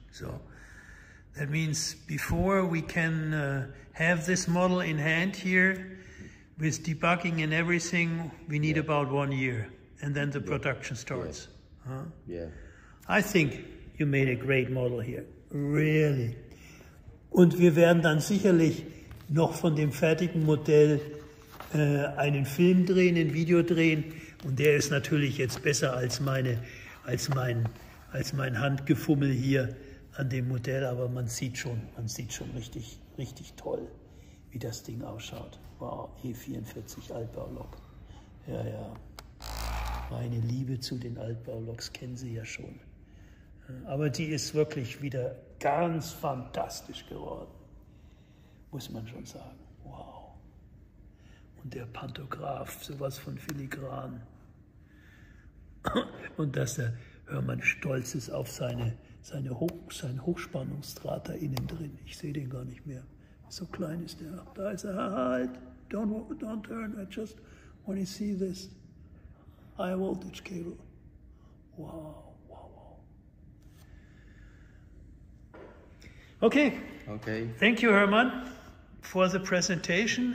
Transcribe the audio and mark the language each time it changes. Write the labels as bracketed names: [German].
[English] So that means before we can have this model in hand here with debugging and everything, we need about 1 year. And then the production starts. Yeah. Huh? Yeah. I think you made a great model here. Really. [German] Und wir werden dann sicherlich noch von dem fertigen Modell einen Film drehen, ein Video drehen. Und der ist natürlich jetzt besser als mein Handgefummel hier an dem Modell. Aber man sieht schon richtig, richtig toll, wie das Ding ausschaut. Wow, E44 Altbaulok. Ja, ja. Meine Liebe zu den Altbauloks kennen Sie ja schon. Aber die ist wirklich wieder ganz fantastisch geworden, muss man schon sagen. Wow. Und der Pantograph, sowas von filigran. Und dass der Hörmann stolz ist auf sein Hochspannungsdraht da innen drin. Ich sehe den gar nicht mehr. So klein ist der. Da ist er. Halt! [English] Don't turn. I just want to see this high voltage cable. Wow. Okay. Thank you, Hermann, for the presentation.